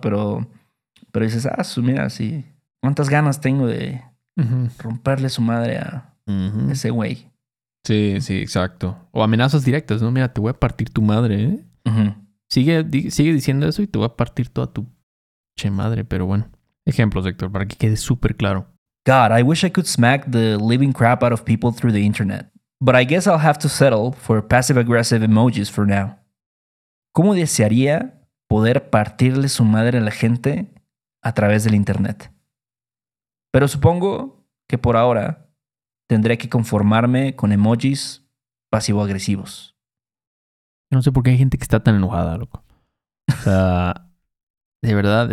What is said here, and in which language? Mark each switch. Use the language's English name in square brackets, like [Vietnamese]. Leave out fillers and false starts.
[Spanish] Pero dices, mira, sí. ¿Cuántas ganas tengo de romperle su madre a ese güey? Sí, sí, exacto. O amenazas directas, ¿no? Mira, te voy a partir tu madre, ¿eh? Uh-huh. Sigue diciendo eso y te voy a partir toda tu che madre. Pero bueno, ejemplos, Héctor, para que quede súper claro. [English] God, I wish I could smack the living crap out of people through the internet. But I guess I'll have to settle for passive-aggressive emojis for now. [Spanish] ¿Cómo desearía poder partirle su madre a la gente a través del internet? Pero supongo que por ahora tendré que conformarme con emojis pasivo-agresivos. No sé por qué hay gente que está tan enojada, loco. O sea, de verdad.